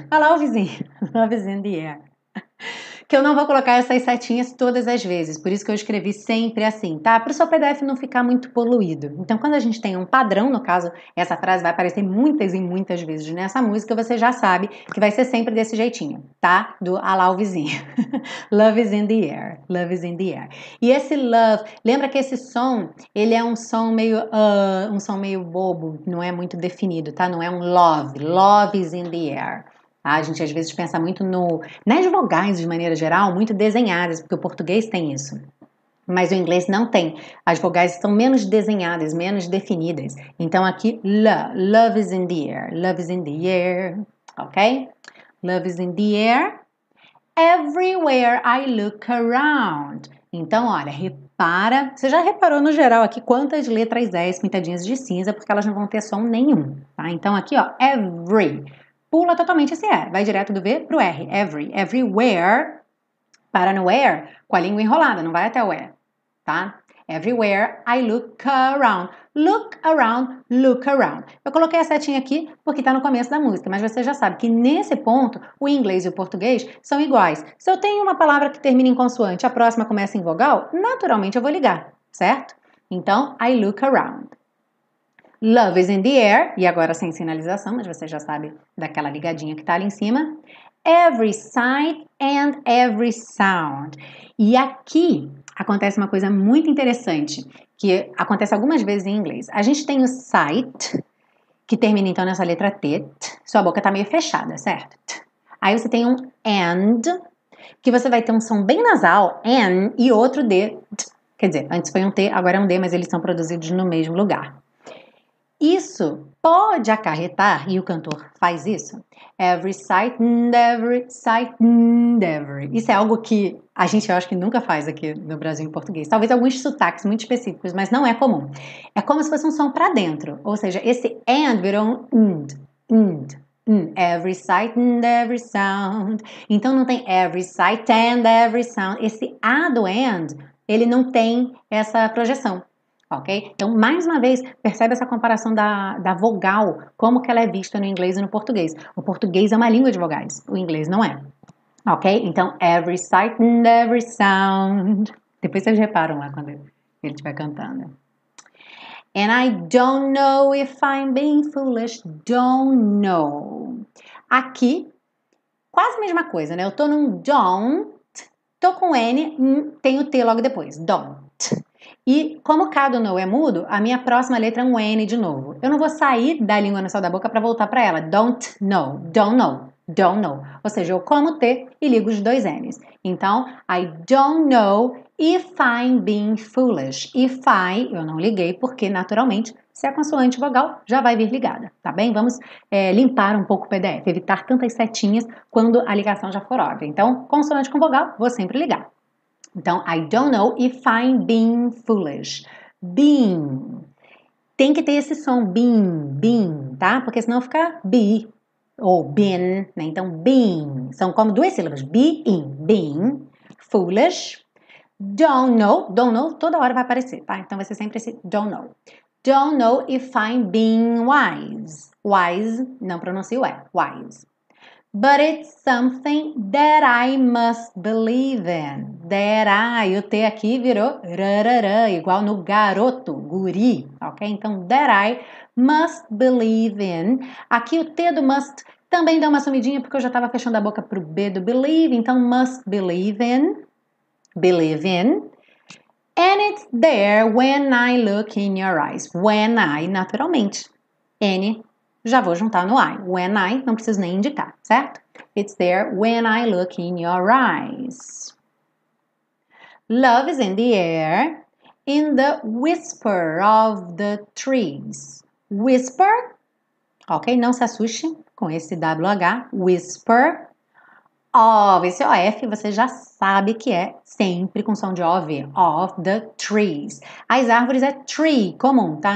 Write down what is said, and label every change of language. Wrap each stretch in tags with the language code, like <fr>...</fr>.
<pt>Olha lá o vizinho,</pt> <en>love is in the air.</en> <pt>Que eu não vou colocar essas setinhas todas as vezes, por isso que eu escrevi sempre assim, tá? Para o seu PDF não ficar muito poluído. Então, quando a gente tem um padrão, no caso, essa frase vai aparecer muitas e muitas vezes nessa música, você já sabe que vai ser sempre desse jeitinho, tá? Do olha lá o vizinho.</pt> <en>Love is in the air, love is in the air.</en> <pt>E esse love, lembra que esse som, ele é um som meio bobo, não é muito definido, tá? Não é um love,</pt> <en>love is in the air.</en> <pt>A gente às vezes pensa muito no nas vogais de maneira geral, muito desenhadas, porque o português tem isso, mas o inglês não tem. As vogais estão menos desenhadas, menos definidas. Então aqui,</pt> <en>love is in the air, love is in the air, ok? Love is in the air, everywhere I look around.</en> <pt>Então, olha, repara, você já reparou no geral aqui quantas letras S pintadinhas de cinza, porque elas não vão ter som nenhum, tá? Então aqui, ó, every. Pula totalmente esse R, vai direto do V pro R. Every, everywhere, para no where, com a língua enrolada, não vai até o E, tá?</pt> <en>Everywhere I look around. Look around, look around.</en> <pt>Eu coloquei a setinha aqui porque está no começo da música, mas você já sabe que nesse ponto o inglês e o português são iguais. Se eu tenho uma palavra que termina em consoante, a próxima começa em vogal, naturalmente eu vou ligar, certo? Então,</pt> <en>I look around. Love is in the air.</en> <pt>E agora sem sinalização, mas você já sabe daquela ligadinha que tá ali em cima.</pt> <en>Every sight and every sound.</en> <pt>E aqui acontece uma coisa muito interessante, que acontece algumas vezes em inglês. A gente tem o sight, que termina então nessa letra T. Sua boca tá meio fechada, certo? Aí você tem um and, que você vai ter um som bem nasal, an, e outro D. Quer dizer, antes foi um T, agora é um D, mas eles são produzidos no mesmo lugar. Isso pode acarretar, e o cantor faz isso,</pt> <en>every sight and every</en> <pt>sight and every. Isso é algo que a gente, eu acho que nunca faz aqui no Brasil em português. Talvez alguns sotaques muito específicos, mas não é comum. É como se fosse um som para dentro. Ou seja, esse and virou um and, and, and.</pt> <en>Every sight and every sound.</en> <pt>Então não tem</pt> <en>every sight and every sound.</en> <pt>Esse A do and, ele não tem essa projeção. Ok? Então, mais uma vez, percebe essa comparação da vogal, como que ela é vista no inglês e no português. O português é uma língua de vogais, o inglês não é. Ok?</pt> <en>Então, every sight and every sound.</en> <pt>Depois vocês reparam lá quando ele estiver cantando.</pt> <en>And I don't know if I'm being foolish, don't know.</en> <pt>Aqui, quase a mesma coisa, né? Eu tô num don't, tô com N, tem o T logo depois, don't. E como o K do no é mudo, a minha próxima letra é um N de novo. Eu não vou sair da língua no céu da boca para voltar para ela.</pt> <en>Don't know, don't know, don't know.</en> <pt>Ou seja, eu como T e ligo os dois N's.</pt> <en>Então, I don't know if I'm being foolish. If I,</en> <pt>eu não liguei, porque naturalmente, se é consoante vogal, já vai vir ligada. Tá bem? Vamos limpar um pouco o PDF, evitar tantas setinhas quando a ligação já for óbvia. Então, consoante com vogal, vou sempre ligar.</pt> <en>Então, I don't know if I'm being foolish.</en> <pt>Being. Tem que ter esse som, being, being, tá? Porque senão fica be ou been, né? Então, being. São como duas sílabas. Being, being, foolish.</pt> <en>Don't know,</en> <pt>toda hora vai aparecer, tá? Então, vai ser sempre esse</pt> <en>don't know. Don't know if I'm being wise.</en> <pt>Wise, não pronuncio é, wise.</pt> <en>But it's something that I must believe in. That I,</en> <pt>o T aqui virou rarara, igual no garoto, guri, ok?</pt> <en>Então, that I must believe in.</en> <pt>Aqui o T do must também deu uma sumidinha porque eu já estava fechando a boca para o B do believe.</pt> <en>Então, must believe in. Believe in. And it's there when I look in your eyes. When I,</en> <pt>naturalmente. N. Já vou juntar no I.</pt> <en>When I,</en> <pt>não preciso nem indicar, certo?</pt> <en>It's there when I look in your eyes. Love is in the air, in the whisper of the trees. Whisper, ok?</en> <pt>Não se assuste com esse WH.</pt> <en>Whisper of,</en> <pt>esse OF você já sabe que é sempre com som de OV.</pt> <en>Of the trees.</en> <pt>As árvores é tree, comum, tá?</pt>